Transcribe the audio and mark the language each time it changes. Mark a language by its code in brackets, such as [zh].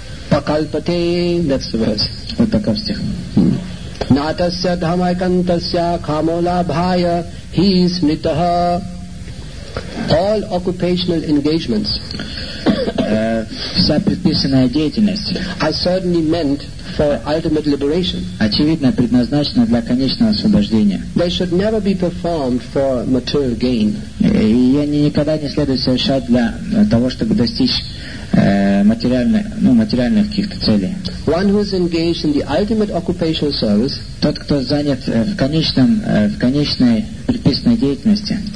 [en] Pakalpate, that's the verse. [ru] Вот такой стих. [sa] Натасья дхамайкантасья камола бхая хи смитаха. [en] All occupational engagements. [ru] Вся предписанная деятельность [en] are certainly meant for ultimate liberation. [ru] Очевидно, предназначена для конечного освобождения. [en] They should never be performed for material gain. [ru] Ее никогда не следует совершать для того, чтобы достичь материальных каких-то целей. [en] One who is engaged in the ultimate occupational service, [ru] тот, кто занят в конечной предписанной деятельности,